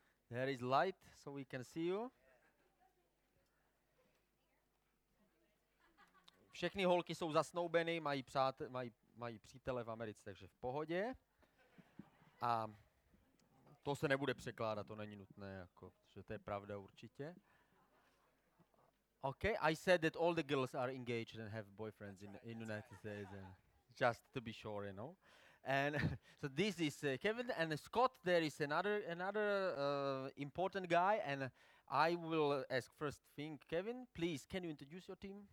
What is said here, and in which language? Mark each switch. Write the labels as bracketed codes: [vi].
[en] There is light, so we can see you. [cs] Všechny holky jsou zasnoubeny, mají přítele v Americe, takže v pohodě. A to se nebude překládat, to není nutné, jako, že to je pravda určitě. [en] Okay, I said that all the girls are engaged and have boyfriends in the United States, just to be sure, you know. And so this is Kevin and Scott. There is another important guy, and I will ask first thing, Kevin, please, can you introduce your team?